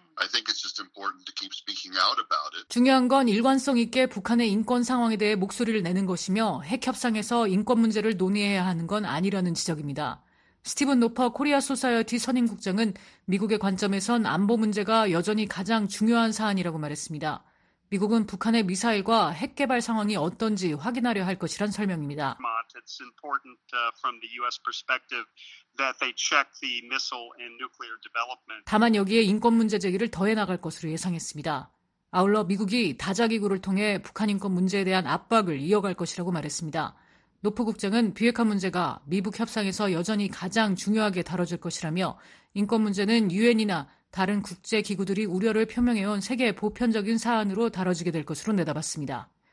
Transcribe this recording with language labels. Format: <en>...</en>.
<en>I think it's just important to keep speaking out about it.</en> <ko>중요한 건 일관성 있게 북한의 인권 상황에 대해 목소리를 내는 것이며 핵 협상에서 인권 문제를 논의해야 하는 건 아니라는 지적입니다. 스티븐 노퍼 코리아 소사이어티 선임 국장은 미국의 관점에선 안보 문제가 여전히 가장 중요한 사안이라고 말했습니다. 미국은 북한의 미사일과 핵 개발 상황이 어떤지 확인하려 할 것이란 설명입니다.</ko> <en>It's important from the U.S. perspective that they check the missile and nuclear development.</en> <ko>다만 여기에 인권 문제 제기를 더해 나갈 것으로 예상했습니다. 아울러 미국이 다자기구를 통해 북한 인권 문제에 대한 압박을 이어갈 것이라고 말했습니다. 노프 국장은 비핵화 문제가 미북 협상에서 여전히 가장 중요하게 다뤄질 것이라며 인권 문제는 유엔이나 다른 국제 기구들이 우려를 표명해온 세계 보편적인 사안으로 다뤄지게 될 것으로 내다봤습니다.</ko>